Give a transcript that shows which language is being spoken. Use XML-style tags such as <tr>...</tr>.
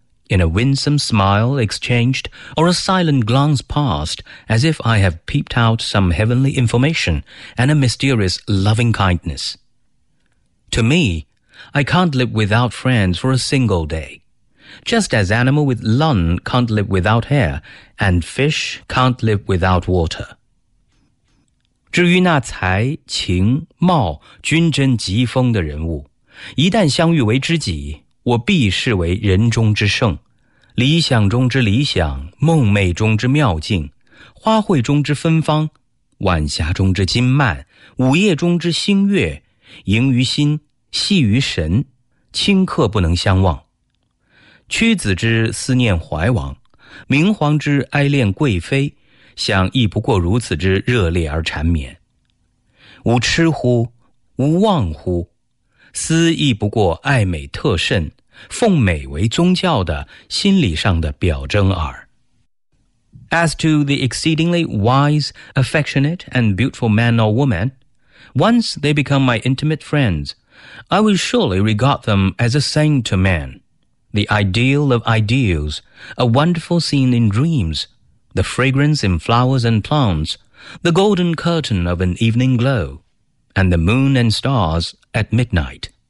<en>In a winsome smile exchanged, or a silent glance passed, as if I have peeped out some heavenly information and a mysterious loving kindness. To me, I can't live without friends for a single day, just as animal with lung can't live without air, and fish can't live without water.</en> <zh>至于那才情貌均真极丰的人物，一旦相遇为知己，我必视为人中之圣。理想中之理想，梦寐中之妙境，花卉中之芬芳，晚霞中之金幔，午夜中之星月，盈于心，细于神，顷刻不能相忘。屈子之思念怀王，明皇之哀恋贵妃，想亦不过如此之热烈而缠绵。吾痴乎？吾忘乎？思亦不过爱美特甚，奉美为宗教的心理上的表征耳。</zh> <en>As to the exceedingly wise, affectionate, and beautiful man or woman, once they become my intimate friends, I will surely regard them as a saint to man, the ideal of ideals, a wonderful scene in dreams, the fragrance in flowers and plants, the golden curtain of an evening glow, and the moon and stars at midnight.</en>